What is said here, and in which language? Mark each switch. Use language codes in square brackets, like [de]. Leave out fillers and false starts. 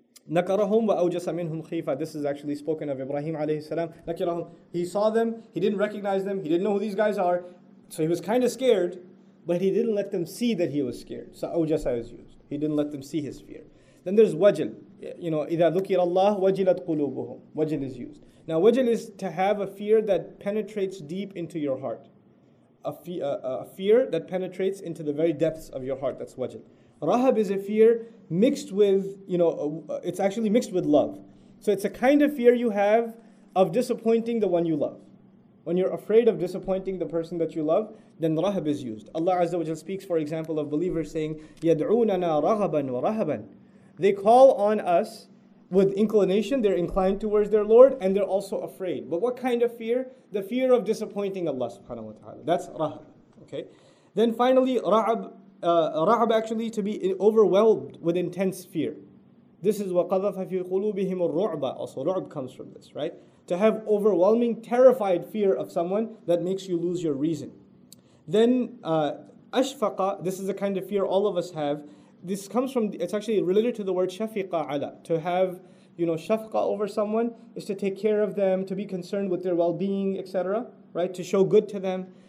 [ar] Nakarahum wa awjasa minhum khifa. [en] This is actually spoken of Ibrahim alayhi salam. Nakarahum. He saw them. He didn't recognize them. He didn't know who these guys are. So he was kind of scared. But he didn't let them see that he was scared. So awjasa is used. He didn't let them see his fear. Then there's wajil. You know, [ar] إِذَا ذُكِرَ اللَّهُ وَجِلَتْ قُلُوبُهُمْ. [en] Wajil is used. Now, wajil is to have a fear that penetrates deep into your heart. A fear that penetrates into the very depths of your heart. That's wajil. Rahab is a fear mixed with, it's actually mixed with love. So it's a kind of fear you have of disappointing the one you love. When you're afraid of disappointing the person that you love, then rahab is used. Allah Azza wa Jalla speaks, for example, of believers saying, [ar] يَدْعُونَنَا رَغَبًا وَرَهَبًا. [en] They call on us with inclination, they're inclined towards their Lord, and they're also afraid. But what kind of fear? The fear of disappointing Allah subhanahu wa ta'ala. That's rahab. Okay? Then finally, ra'ab actually to be overwhelmed with intense fear. This is [ar] وَقَذَفَ فِي قُلُوبِهِمُ الرُّعْبَ. [en] Also, ru'b comes from this, right? To have overwhelming, terrified fear of someone that makes you lose your reason. Then, ashfaqa, this is the kind of fear all of us have. This comes from, it's actually related to the word shafiqa ala. To have, shafqa over someone is to take care of them, to be concerned with their well-being, etc. Right? To show good to them.